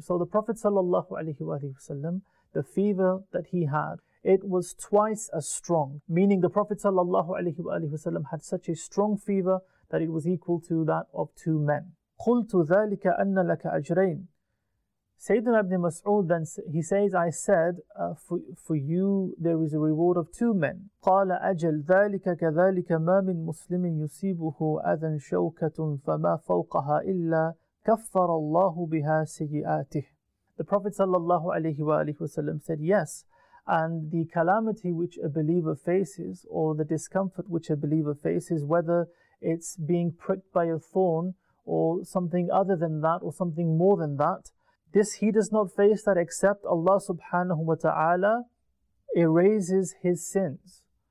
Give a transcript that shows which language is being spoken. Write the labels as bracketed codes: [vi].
[en] So the Prophet sallallahu alayhi wa sallam, the fever that he had, it was twice as strong, meaning the Prophet sallallahu alayhi wa sallam had such a strong fever that it was equal to that of two men. قُلْتُ ذَلِكَ أَنَّ لَكَ أَجْرَيْنَ Sayyiduna Ibn Mas'ud then, he says, I said, for you there is a reward of two men. [ar] قَالَ أَجَلْ ذَلِكَ كَذَلِكَ مَا مِن مُسْلِمٍ يُسِيبُهُ أَذًا شَوْكَةٌ فَمَا فَوْقَهَا إِلَّا كَفَّرَ اللَّهُ بِهَا سَيِّئَاتِهِ The Prophet sallallahu alayhi wa sallam said, yes, [en] And the calamity which a believer faces, or the discomfort which a believer faces, whether it's being pricked by a thorn or something other than that, or something more than that, this he does not face that except Allah subhanahu wa ta'ala erases his sins.